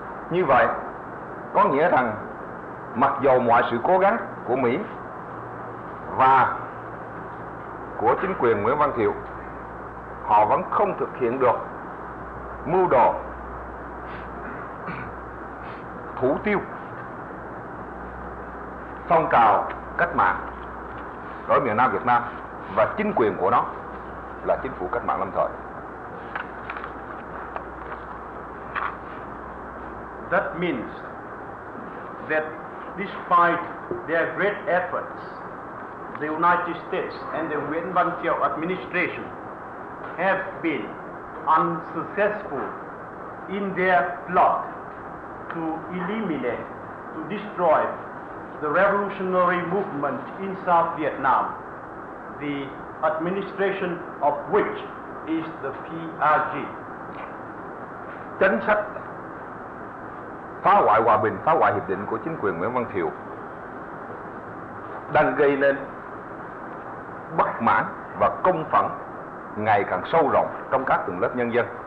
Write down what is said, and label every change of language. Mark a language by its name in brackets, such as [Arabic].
[Vietnamese] Như vậy, có nghĩa rằng mặc dầu mọi sự cố gắng của Mỹ và của chính quyền Nguyễn Văn Thiệu, họ vẫn không thực hiện được mưu đồ thủ tiêu phong trào cách mạng ở miền Nam Việt Nam và chính quyền của nó là chính phủ cách mạng lâm thời. [English] That means that despite their great efforts, the United States and the Nguyễn Văn Thiệu administration have been unsuccessful in their plot to eliminate, to destroy the revolutionary movement in South Vietnam, the administration of which is the PRG. [Vietnamese] Chính sách phá hoại hòa bình, phá hoại hiệp định của chính quyền Nguyễn Văn Thiệu đang gây nên bất mãn và công phẫn ngày càng sâu rộng trong các tầng lớp nhân dân.